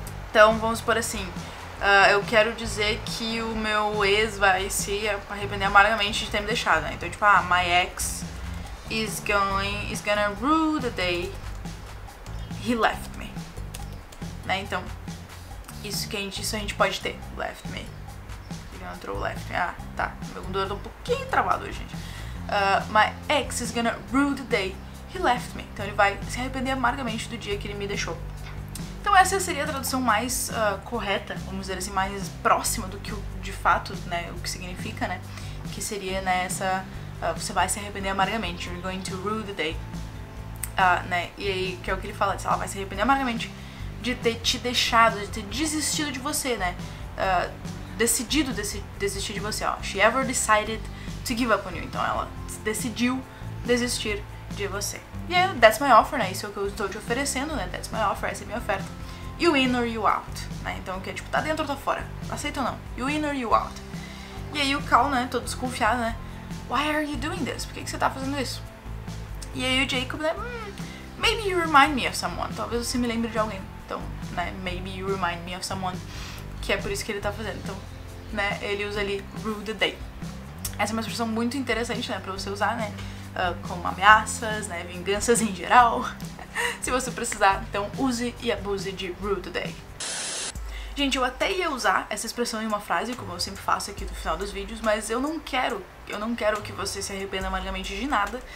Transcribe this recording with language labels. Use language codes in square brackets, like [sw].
[pt] Então, vamos supor assim, eu quero dizer que o meu ex vai se arrepender amargamente de ter me deixado, né? Então, tipo, ah, [en] my ex is gonna rue the day he left me. [pt] Né, então, isso a gente pode ter, [en] left me. [pt] Ele entrou [en] left me, [pt] ah, tá, meu computador tá um pouquinho travado hoje, gente. [en] My ex is gonna rue the day he left me. [pt] Então ele vai se arrepender amargamente do dia que ele me deixou. Então essa seria a tradução mais correta, vamos dizer assim, mais próxima do que o, de fato, né, o que significa, né, que seria nessa, você vai se arrepender amargamente, [en] you're going to rue the day, [pt] né, e aí, que é o que ele fala, ela vai se arrepender amargamente de ter te deixado, de ter desistido de você, né, decidido desistir de você, ó, [en] she ever decided to give up on you, [pt] então ela decidiu desistir de você. E aí, [en] that's my offer, [pt] né, isso é o que eu estou te oferecendo, né, that's my offer, essa é a minha oferta, [en] you in or you out, [pt] né, então que é tipo, tá dentro ou tá fora, aceita ou não, you in or you out. E aí o Cal, né, todo desconfiado, né, [en] why are you doing this? [pt] Por que que você tá fazendo isso? E aí o Jacob, né, [en] maybe you remind me of someone. [pt] Talvez você me lembre de alguém. Então, né, [en] maybe you remind me of someone. [pt] Que é por isso que ele tá fazendo. Então, né, ele usa ali, rue the day. Essa é uma expressão muito interessante, né, pra você usar, né, como ameaças, né, vinganças em geral. Se você precisar, então use e abuse de rue the day. Gente, eu até ia usar essa expressão em uma frase, como eu sempre faço aqui no final dos vídeos, mas eu não quero que você se arrependa amargamente de nada.